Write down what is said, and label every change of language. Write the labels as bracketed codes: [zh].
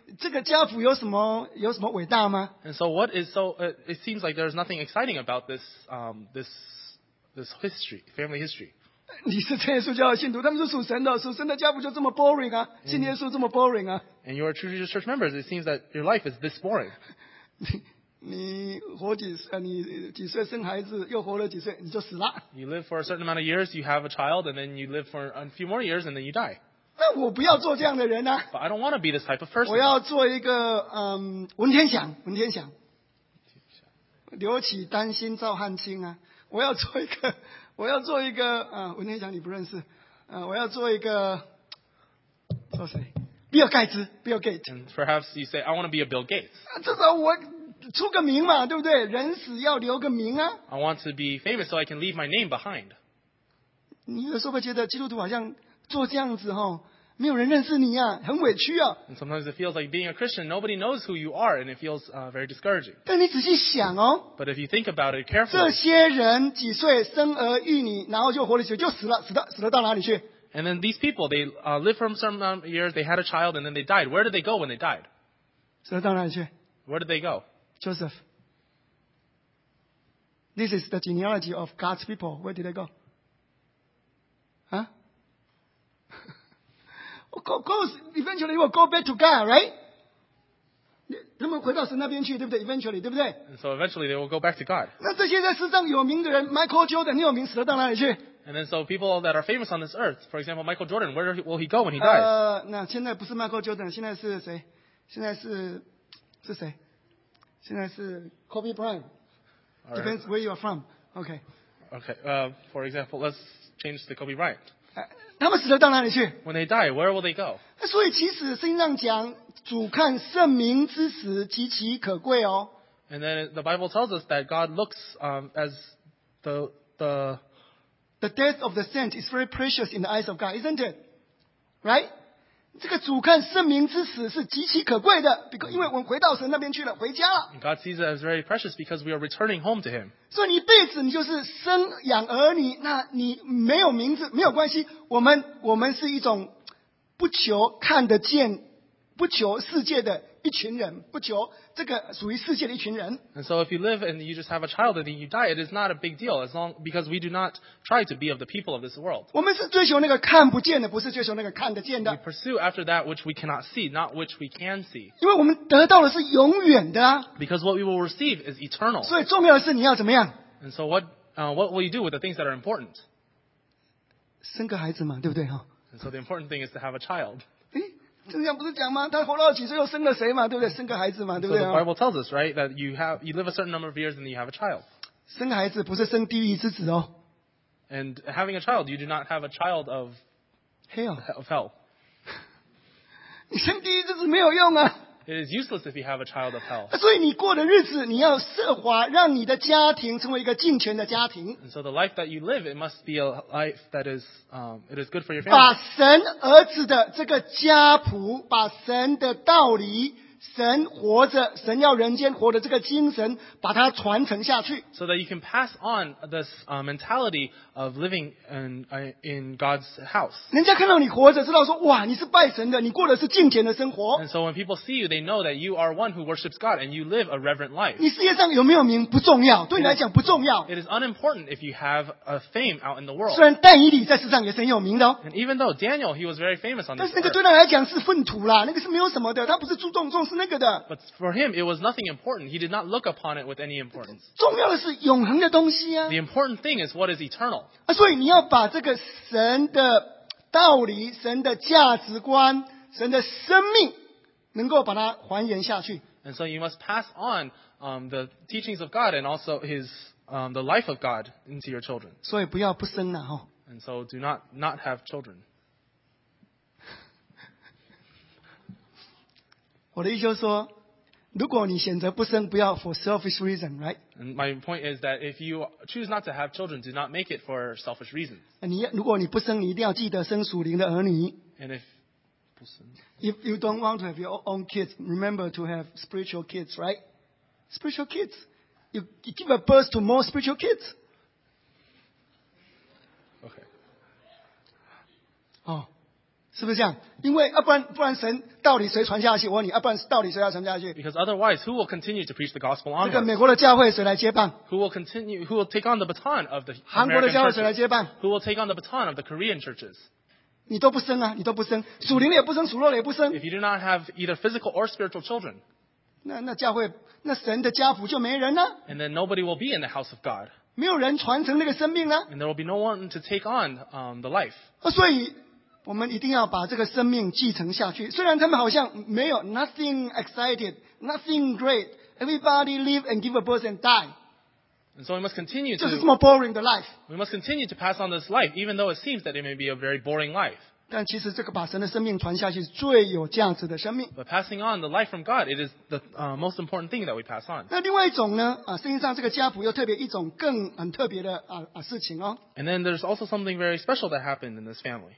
[zh] 这个家谱有什么伟大吗 [en] ？And so what is so? It seems like there's nothing exciting about this history, family history. [zh] 你是真耶稣教的信徒，他们是属神的，属神的家谱就这么 boring 啊？信耶稣这么 boring 啊 [en] ？And you are true Jesus Church members. It seems that your life is this boring. [zh] 你几岁生孩子，又活了几岁，你就死了。 [en] You live for a certain amount of years, you have a child, and then you live for a few more years, and then you die. [zh] 那我不要做这样的人啊。 [en] But I don't want to be this type of person. [zh] 我要做一个文天祥，文天祥，刘启丹心赵汉卿啊。我要做一个，我要做一个文天祥你不认识，我要做一个，做谁？比尔盖茨 ，Bill Gates. [en] And perhaps you say, I want to be a Bill Gates. [zh] 至少我出个名嘛，对不对？人死要留个名啊。 [en] I want to be famous so I can leave my name behind. [zh] 你有时候会觉得基督徒好像做这样子哈，没有人认识你啊，很委屈啊。 [en] And sometimes it feels like being a Christian, nobody knows who you are, and it feels very discouraging. [zh] 但你仔细想哦。 [en] But if you think about it carefully. [zh] 这些人几岁生儿育女，然后就活了几岁就死了，死了到哪里去？ [en] And then these people, they lived for some years, they had a child, and then they died. Where did they go when they died? Where did they go? Joseph. This is the genealogy of God's people. Where did they go? Huh? Of course, eventually you will go back to God, right? [zh] 他们回到神那边去，对不对 ？Eventually， 对不对 [en] ？So eventually they will go back to God. [zh] 那这些在世上有名的人 ，Michael Jordan， 你有名死了到哪里去 [en] ？And then so people that are famous on this earth, for example, Michael Jordan, where will he go when he dies? [zh] 那现在不是 Michael Jordan， 现在是谁？现在是谁？现在是 [en] Kobe Bryant. Depends where you are from. Okay. Okay. For example, let's change to Kobe Bryant. [zh] 他们死了到哪里去 [en] ？When they die, where will they go? [zh] 所以其实圣经上讲。主看圣名之时极其可贵哦。 [en] And then the Bible tells us that God looks as the death of the saint is very precious in the eyes of God, isn't it? Right? [zh] 这个主看圣名之时是极其可贵的，因为我们回到神那边去了，回家了。 [en] God sees it as very precious because we are returning home to Him. [zh] 所以你一辈子你就是生养儿女，那你没有名字没有关系，我们是一种不求看得见。不求世界的一群人，不求这个属于世界的一群人。 [en] And so if you live and you just have a child and then you die, it is not a big deal as long because we do not try to be of the people of this world. [zh] 我们是追求那个看不见的，不是追求那个看得见的。 [en] We pursue after that which we cannot see, not which we can see. [zh] 因为我们得到的是永远的。 [en] Because what we will receive is eternal. [zh] 所以重要的是你要怎么样。 [en] And so what will you do with the things that are important? [zh] 生个孩子嘛，对不对哈？ [en] And so the important thing is to have a child. [zh] 圣经不是讲吗？他活到几岁又生了谁嘛？对不对？生个孩子嘛，对不对 [en] ？So the Bible tells us, right, that you live a certain number of years and you have a child. [zh] 生个孩子不是生地狱之子哦。 [en] And having a child, you do not have a child of hell. Of hell. [zh] 你生地狱之子没有用啊。 [en] It is useless if you have a child of hell. [zh] 所以你过的日子，你要设法让你的家庭成为一个敬虔的家庭。 [en] And so the life that you live, it must be a life that is, it is good for your family. [zh] 把神儿子的这个家谱，把神的道理，神活着，神要人间活的这个精神，把它传承下去。 [en] So that you can pass on this mentality of living in God's house. [zh] 人家看到你活着，知道说哇，你是拜神的，你过的是敬虔的生活。 [en] And so when people see you, they know that you are one who worships God and you live a reverent life. [zh] 你世界上有没有名不重要，对你来讲不重要。 [en] It is unimportant if you have a fame out in the world. [zh] 虽然但以理在世上也是很有名的哦。 [en] And even though Daniel, he was very famous on this earth. [zh] 但是那个对他来讲是粪土啦，那个是没有什么的，他不是注重重。 [en] But for him, it was nothing important. He did not look upon it with any importance. [zh] 重要的是永恒的东西啊。 [en] The important thing is what is eternal. [zh] 所以你要把这个神的道理、神的价值观、神的生命，能够把它还原下去。 [en] And so you must pass on the teachings of God and also His the life of God into your children. [zh] 所以不要不生了哈。 [en] And so do not have children. [zh] 我的意思就是说，如果你选择不生，不要 [en] for selfish reason, right? And my point is that if you choose not to have children, do not make it for selfish reasons. [zh] 你如果你不生，你一定要记得生属灵的儿女。 [en] And if [zh] 不生 [en] ，if you don't want to have your own kids, remember to have spiritual kids, right? Spiritual kids, you give a birth to more spiritual kids. Okay. [zh] 哦。是不是这样？因为不然神到底谁传下去？我问你，不然到底谁要传下去 [en] ？Because otherwise, who will continue to preach the gospel on? [zh] 这个美国的教会谁来接棒 [en] ？Who will take on the baton of the [zh] 韩国的教会谁来接棒 [en] ？Who will take on the baton of the Korean churches? [zh] 你都不生啊，你都不生，属灵的也不生，属肉的也不生。 [en] If you do not have either physical or spiritual children, [zh] 那教会那神的家谱就没人呢 [en] ？And then nobody will be in the house of God. [zh] 没有人传承那个生命呢 [en] ？And there will be no one to take on the life. [zh] 所以。我们一定要把这个生命继承下去。虽然他们好像没有 [en] nothing excited, nothing great, everybody live and give a birth and die. And so we must continue to. [zh] 就是这么 boring 的 life. [en] We must continue to pass on this life, even though it seems that it may be a very boring life. [zh] 但其实这个把神的生命传下去是最有价值的生命。 [en] But passing on the life from God, it is the most important thing that we pass on. [zh] 那另外一种呢？圣经上这个家谱又特别一种更很特别的事情哦。 [en] And then there's also something very special that happened in this family.